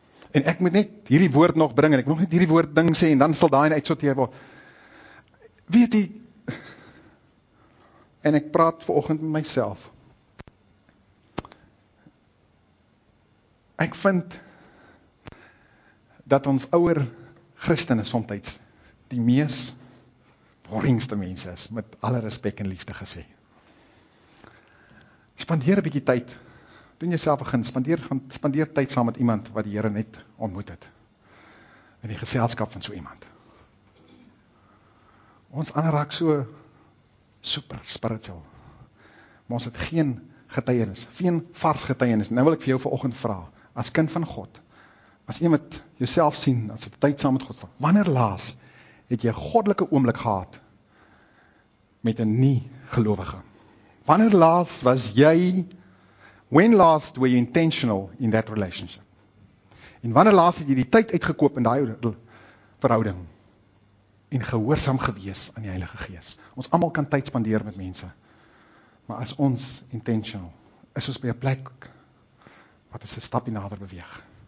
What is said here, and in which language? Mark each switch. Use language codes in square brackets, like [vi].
[af] en ek moet net hierdie woord nog bring, en ek nog net hierdie woord ding sê, en dan sal daarin uitsorteer word, weet jy, en ek praat vanoggend met myself, ek vind dat ons ouer Christene somtijds die mees boringste mense is, met alle respek en liefde gesê. Spandeer 'n bietjie tyd, doen jouself 'n gunst, spandeer tyd saam met iemand wat die Here net ontmoet het, in die geselskap van so iemand. Ons ander raak so [en] super spiritual, [af] maar ons het geen getuienis, geen vars getuienis. Nou wil ek vir jou vanoggend vra, as kind van God, as jy met jouself sien, as jy tyd saam met God staan, wanneer laas het jy 'n goddelike oomblik gehad met 'n nie gelowige? Wanneer laas was jy, [en] when last were you intentional in that relationship? [af] En wanneer laas het jy die tyd uitgekoop in daai verhouding en gehoorsaam gewees aan die Heilige Gees? Ons almal kan tyd spandeer met mense, maar as ons intentional, is ons by 'n plek wat ons 'n stapie nader beweeg.